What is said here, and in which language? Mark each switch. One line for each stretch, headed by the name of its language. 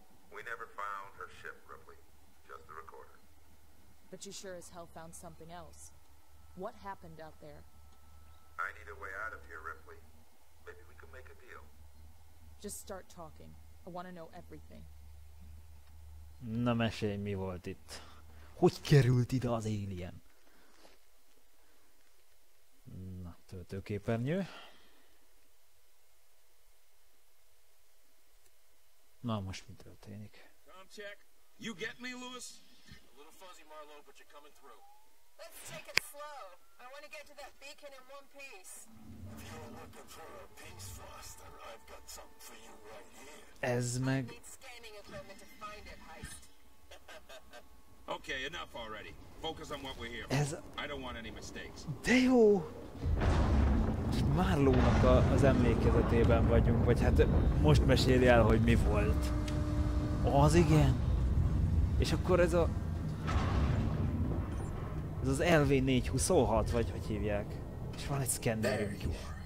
English: We never found her ship, Ripley. Just the recorder. But you sure as hell found something else. What happened out there? I need a way out of here, Ripley. Maybe we can make a deal. Just start talking. I want to know everything.
Hungarian: Na, mesélj, mi volt itt? Hogy került ide az alien? Na, töltőképernyő. Na, most mi történik?
English: Com check. You get me, Lewis? A little fuzzy, Marlo, but you're coming through. Let's take it slow. I want to get to that beacon in one piece. If you're looking for a piece faster, I've got something for you right here.
Hungarian: Ez meg...
English: I need scanning equipment to find it, Heist. Okay, enough already. Focus on what we're here for.
Hungarian: Ez...
English: I don't want any mistakes.
Hungarian: De jó! Marlónak az emlékezetében vagyunk, vagy hát most meséli el, hogy mi volt. Az igen. És akkor ez a... Ez az LV-426, vagy hogy hívják. És van egy szkennerünk is.